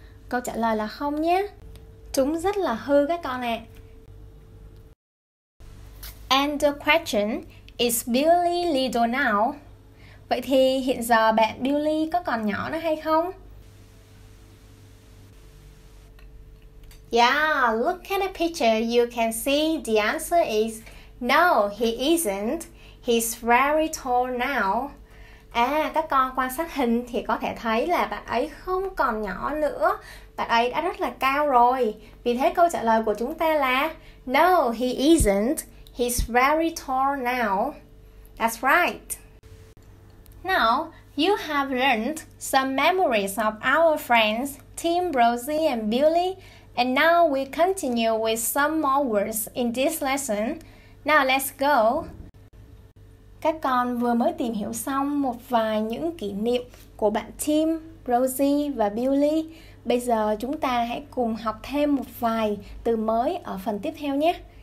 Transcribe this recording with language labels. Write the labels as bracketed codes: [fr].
[vi] Câu trả lời là không nhé. Chúng rất là hư các con ạ. À. [en] And the question, is Billy little now? [vi] Vậy thì hiện giờ bạn Billy có còn nhỏ nữa hay không? [en] Yeah, look at the picture, you can see the answer is no, he isn't. He's very tall now. [vi] À, các con quan sát hình thì có thể thấy là bạn ấy không còn nhỏ nữa. Bạn ấy đã rất là cao rồi. Vì thế câu trả lời của chúng ta là [en] no, he isn't. He's very tall now. That's right. Now, you have learned some memories of our friends Tim, Rosie and Billy. And now we continue with some more words in this lesson. Now let's go. [vi] Các con vừa mới tìm hiểu xong một vài những kỷ niệm của bạn Tim, Rosie và Billy. Bây giờ chúng ta hãy cùng học thêm một vài từ mới ở phần tiếp theo nhé.